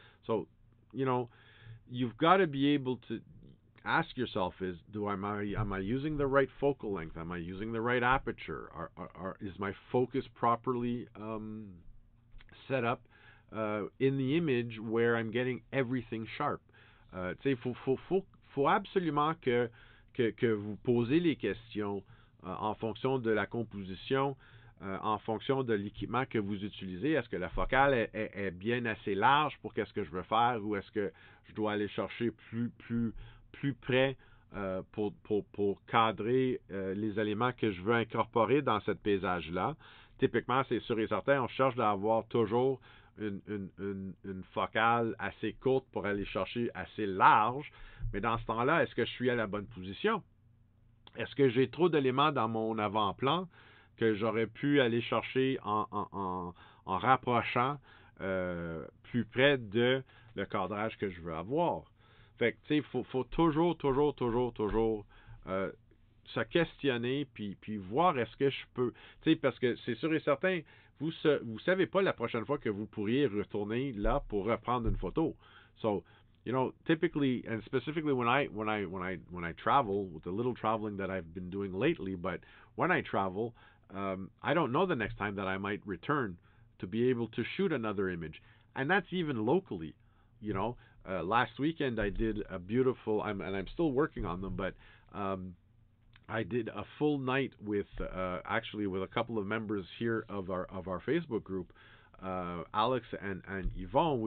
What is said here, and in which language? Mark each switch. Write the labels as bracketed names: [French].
[English] So, you know, you've got to be able to ask yourself, am I using the right focal length? Am I using the right aperture? Is my focus properly set up in the image where I'm getting everything sharp? [French] Il faut absolument que vous posiez les questions en fonction de la composition, en fonction de l'équipement que vous utilisez. Est-ce que la focale est bien assez large pour qu'est-ce que je veux faire, ou est-ce que je dois aller chercher plus près pour cadrer les éléments que je veux incorporer dans ce paysage-là? Typiquement, c'est sûr et certain, on cherche d'avoir toujours... Une focale assez courte pour aller chercher assez large. Mais dans ce temps-là, est-ce que je suis à la bonne position? Est-ce que j'ai trop d'éléments dans mon avant-plan que j'aurais pu aller chercher en rapprochant plus près de le cadrage que je veux avoir? Fait que, tu sais, faut toujours se questionner puis voir est-ce que je peux... Tu sais, parce que c'est sûr et certain... Vous savez pas la prochaine fois que vous pourriez retourner là pour reprendre une photo. [English] So, you know, typically and specifically when I travel, with the little traveling that I've been doing lately, but when I travel, I don't know the next time that I might return to be able to shoot another image. And that's even locally, you know. Last weekend I did a beautiful, I'm still working on them, but I did a full night with a couple of members here of our Facebook group, Alex and Yvonne.